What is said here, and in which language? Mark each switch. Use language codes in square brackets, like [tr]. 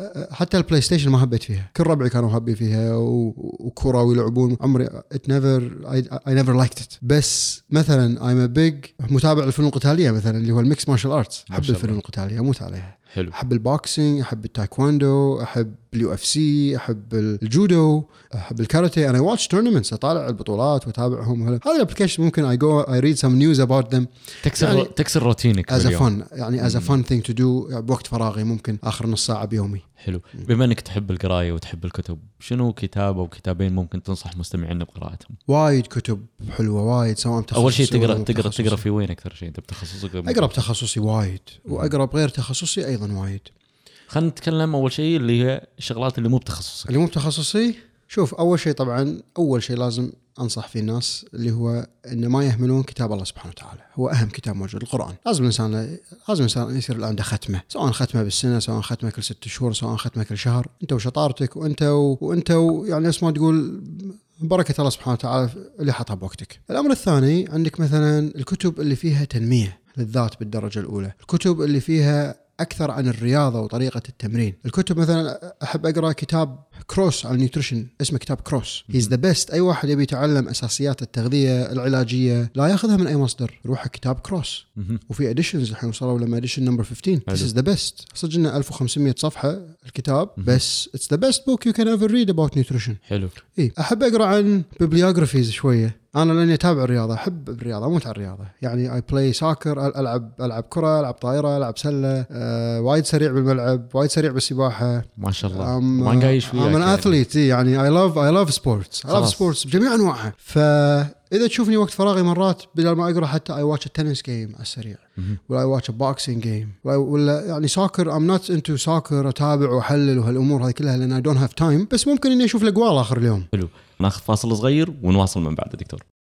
[ar] حتى البلاي ستيشن ما حبيت فيها، كل ربعي كانوا حبي فيها وكرة ويلعبون، عمري [en] I never liked it. [ar] بس مثلا [en] I'm a big [ar] متابع الفنون القتالية مثلا اللي هو الميكس مارشال أرتس، حب الفنون القتالية موت عليها. حلو. أحب البوكسينج، أحب التايكواندو، أحب اليو اف سي، أحب الجودو، أحب الكاراتيه. أنا واتش تورنمنتس، أطالع البطولات وتابعهم. هذا الابليكيشن ممكن [en] I go I read some news about them. [ar] تكسر روتينك [en] as a fun، يعني as a fun thing to do [ar] بوقت فراغي، ممكن آخر نص ساعة بيومي. حلو. بما أنك تحب القراية وتحب الكتب، شنو كتاب أو كتابين ممكن تنصح مستمعينا بقراءتهم؟ وايد كتب حلوة وايد، سواء أول شيء تقرأ في وين أكثر شيء؟ أنت بتخصصك؟ أقرأ بتخصصي وايد، وأقرأ بغير تخصصي أيضا وايد. خلنا نتكلم أول شيء اللي هي شغلات اللي مو بتخصصي. اللي مو بتخصصي، شوف أول شيء طبعا، أول شيء لازم أنصح فيه الناس اللي هو إن ما يهملون كتاب الله سبحانه وتعالى، هو أهم كتاب موجود، القرآن. لازم الإنسان يصير عنده ختمة، سواء ختمة بالسنة، سواء ختمة كل ست شهور، سواء ختمة كل شهر. أنت وشطارتك، وأنت يعني اسمه تقول بركة الله سبحانه وتعالى اللي حطها بوقتك. الأمر الثاني، عندك مثلا الكتب اللي فيها تنمية للذات بالدرجة الأولى، الكتب اللي فيها أكثر عن الرياضة وطريقة التمرين. الكتب مثلا أحب أقرأ كتاب كروس على النيوتريشن، اسمه كتاب كروس، [en] he's the best. [ar] أي واحد يبي يتعلم أساسيات التغذية العلاجية لا يأخذها من أي مصدر، روح كتاب كروس. [en] وفي editions [ar] الحين وصلوا لما [en] edition number 15، this is the best، [ar] صدقنا 1500 صفحة الكتاب، بس [en] it's the best book you can ever read about nutrition. [ar] حلو. إيه، أحب أقرأ عن bibliographies شوية. أنا لأني أتابع الرياضة، أحب الرياضة، أموت على الرياضة، يعني [en] I play soccer، [ar] ألعب كرة، ألعب طائرة، ألعب سلة، وايد سريع بالملعب، وايد سريع بالسباحة، ما شاء الله، مانجاي شوية، [en] I'm an athlete، يعني I love sports، خلاص. I love sports [ar] بجميع أنواعها. فإذا تشوفني وقت فراغي مرات بدل ما أقرأ، حتى [en] I watch a tennis game [ar] السريع، ولا [en] I watch a boxing game، [ar] ولا يعني soccer، [en] I'm not into soccer، [ar] أتابع وحلل وهالأمور هذه كلها لأن [en] I don't have time، [ar] بس ممكن إني أشوف الأقوال آخر اليوم. حلو. ناخذ فاصل صغير ونواصل من بعد دكتور.